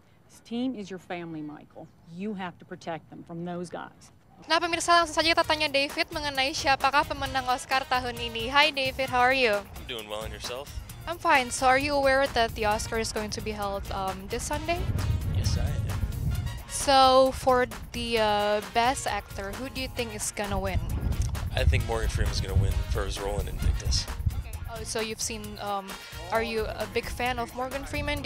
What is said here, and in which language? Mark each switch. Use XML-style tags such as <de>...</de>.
<en>This team is your family, Michael. You have to protect them from those guys.</en> <id>Nah, pemirsa, langsung saja kita tanya David mengenai siapakah pemenang Oscar tahun ini.</id> <en>Hi, David. How are you? I'm doing well. And yourself? I'm fine. So, are you aware that the Oscar is going to be held this Sunday? Yes, I am. So, for the best actor, who do you think is gonna win? I think Morgan Freeman is gonna win for his role in Invictus. So you've seen, are you a big fan of Morgan Freeman?</en>